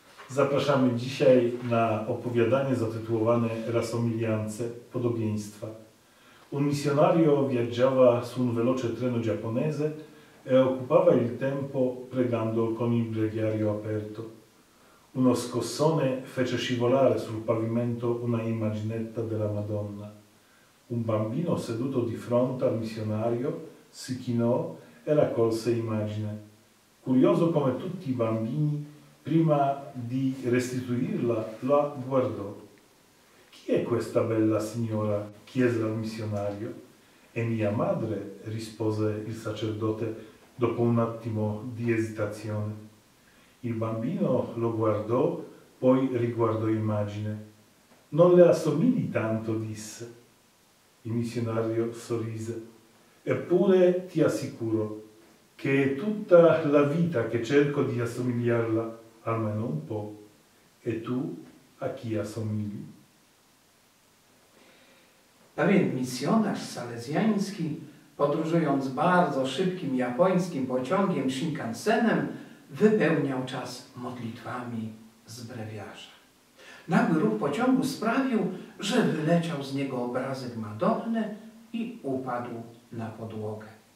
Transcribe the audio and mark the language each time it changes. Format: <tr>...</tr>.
<pl>Zapraszamy dzisiaj na opowiadanie zatytułowane Rassomigliance – Podobieństwa.</pl> <it>Un missionario viaggiava su un veloce treno giapponese e occupava il tempo pregando con il breviario aperto. Uno scossone fece scivolare sul pavimento una immaginetta della Madonna. Un bambino seduto di fronte al missionario si chinò e raccolse l'immagine. Curioso come tutti i bambini, prima di restituirla, la guardò. «Chi è questa bella signora?» chiese al missionario. «È mia madre», rispose il sacerdote dopo un attimo di esitazione. Il bambino lo guardò, poi riguardò l'immagine. «Non le assomigli tanto», disse. Il missionario sorrise. «Eppure ti assicuro che è tutta la vita che cerco di assomigliarla, almeno un po'. E tu a chi assomigli?»</it> <pl>Pewien misjonarz salezjański, podróżując bardzo szybkim japońskim pociągiem Shinkansenem, wypełniał czas modlitwami z brewiarza. Nagły ruch pociągu sprawił, że wyleciał z niego obrazek Madonny i upadł na podłogę.</pl>